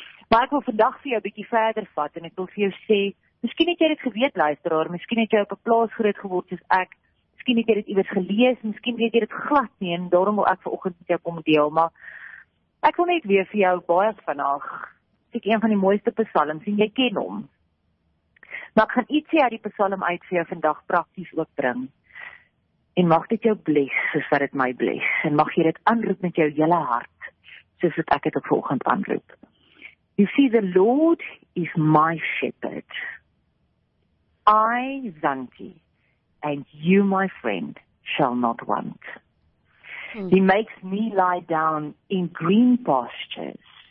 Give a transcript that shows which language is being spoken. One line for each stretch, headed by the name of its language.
Afrikaans: Maar ek wil vandag vir jou bietjie verder vat en ek wil vir jou sê, miskien het jy dit geweet luisteraar, miskien het jy op 'n plaas groot geword soos ek, miskien het jy dit iewers gelees, miskien weet jy dit glad nie en daarom wil ek vanoggend met jou kom deel, maar ek wil net weer vir jou baie vandag, ek een van die mooiste psalms en jy ken hom. Maar ek gaan iets uit die psalm uit vir jou vandag prakties ook bring. En mag dit jou
English: bless,
Afrikaans: soos wat het my bless. En mag jy dit aanroep met jou hele hart, soos wat ek het op volgend aanroep.
English: You see, the Lord is my shepherd. I, Zanti, and you, my friend, shall not want. He makes me lie down in green pastures.